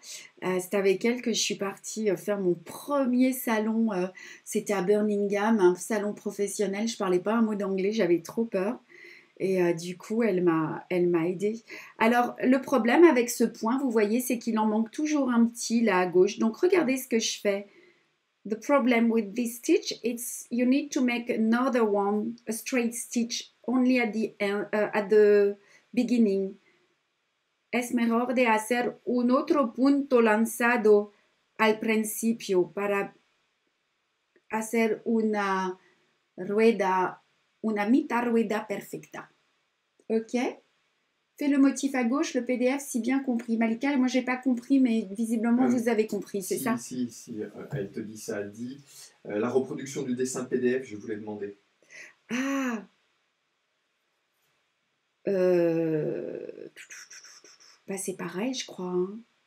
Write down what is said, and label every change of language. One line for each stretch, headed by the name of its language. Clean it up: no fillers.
French: C'est avec elle que je suis partie faire mon premier salon. C'était à Birmingham, un salon professionnel. Je ne parlais pas un mot d'anglais, j'avais trop peur. Et du coup, elle m'a aidée. Alors, le problème avec ce point, vous voyez, c'est qu'il en manque toujours un petit là à gauche. Donc, regardez ce que je fais.
English: The problem with this stitch, it's you need to make another one, a straight stitch, only at the end, at the beginning.
Spanish: Es mejor de hacer un otro punto lanzado al principio para hacer una rueda, una mitad rueda perfecta. Ok?
French: Fais le motif à gauche, le PDF, si bien compris. Malika, moi, je n'ai pas compris, mais visiblement, vous avez compris, c'est si, ça? Si, si, elle te dit ça, elle dit. La reproduction du dessin PDF, je vous l'ai demandé. Ah! Bah, c'est pareil, je crois. Hein.